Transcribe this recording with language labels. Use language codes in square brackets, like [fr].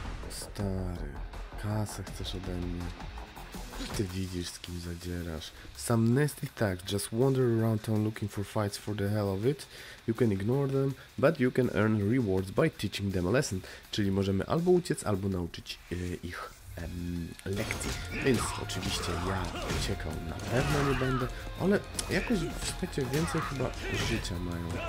[pl] Stary, kasę chcesz ode mnie. Ty widzisz, z kim zadzierasz. [en] Some nasty tags just wander around town looking for fights for the hell of it. You can ignore them, but you can earn rewards by teaching them a lesson. [pl] Czyli możemy albo uciec, albo nauczyć ich lekcji. Więc oczywiście ja uciekał na pewno nie będę, ale jakoś, słuchajcie, więcej chyba życia mają.